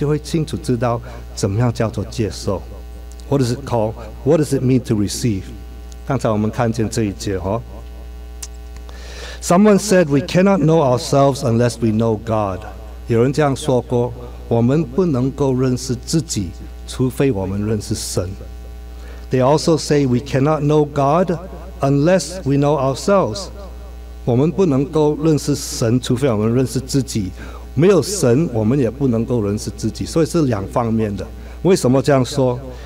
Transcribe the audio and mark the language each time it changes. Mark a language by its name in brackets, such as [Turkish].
[Chinese] 如果我们看刚才那些经文，我们就会清楚知道怎么样叫做接受。 [English] What is it called? What does it mean to receive? [Chinese] 刚才我们看见这一节哦。 [English] Someone said, we cannot know ourselves unless we know God. [Chinese] 有人这样说过，我们不能够认识自己，除非我们认识神。 [English] They also say, we cannot know God unless we know ourselves. [Chinese] 我们不能够认识神，除非我们认识自己。没有神，我们也不能够认识自己。所以是两方面的。为什么这样说？